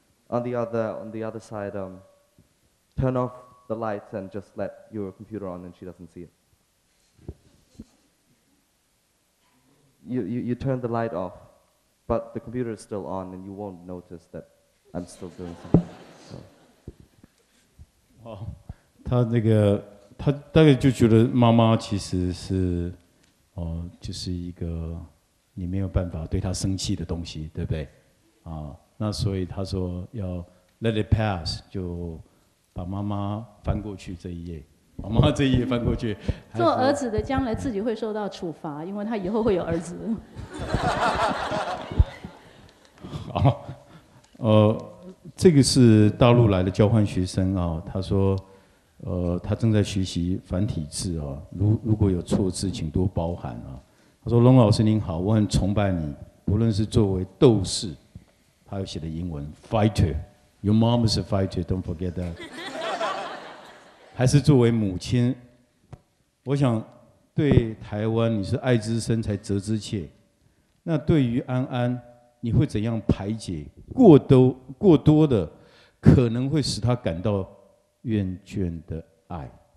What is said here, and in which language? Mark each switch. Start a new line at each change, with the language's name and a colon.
English: On the other side, turn off the lights and just let your computer on and she doesn't see it. You turn the light off, but the computer is still on and you won't notice that I'm still doing something. So.
Chinese: Wow, 他那个他大概就觉得妈妈其实是就是一个你没有办法对她生气的东西，对不对？那所以他说要
English: let it pass，
Chinese: 就把妈妈翻过去这一页，把妈妈这一页翻过去。做儿子的将来自己会受到处罚，因为他以后会有儿子。好，这个是大陆来的交换学生啊，他说，他正在学习繁体字啊，如果有错字，请多包涵啊。他说：“龙老师您好，我很崇拜你，不论是作为斗士，他有写的英文 fighter。”
English: Fighter. Your mom is a fighter, don't forget that.
Chinese: 还是作为母亲，我想对台湾你是爱之深才责之切。那对于安安，你会怎样排解过多的可能会使他感到厌倦的爱？